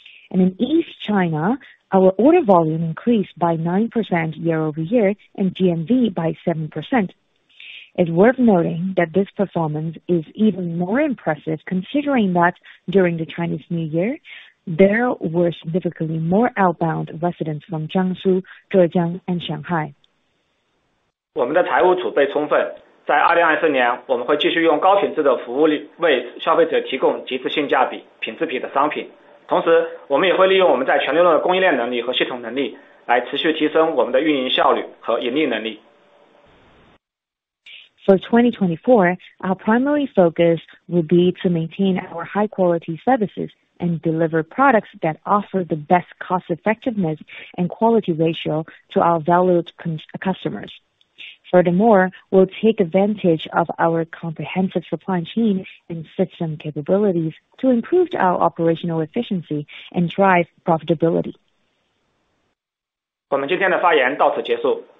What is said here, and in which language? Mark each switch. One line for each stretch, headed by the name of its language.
English: And in East China, our order volume increased by 9% year over year and GMV by 7%. It's worth noting that this performance is even more impressive considering that during the Chinese New Year, there were significantly more outbound residents from Jiangsu, Zhejiang, and Shanghai.
Chinese: 我们的财务储备充分，在2024年，我们会继续用高品质的服务为消费者提供极致性价比、品质比的商品。同时我们也会利用我们在全流动的供应链能力和系统能力来持续提升我们的运营效率和盈利能力。
English: For 2024, our primary focus will be to maintain our high-quality services and deliver products that offer the best cost-effectiveness and quality ratio to our valued customers. Furthermore, we'll take advantage of our comprehensive supply chain and system capabilities to improve our operational efficiency and drive profitability.
Chinese: 我们今天的发言到此结束。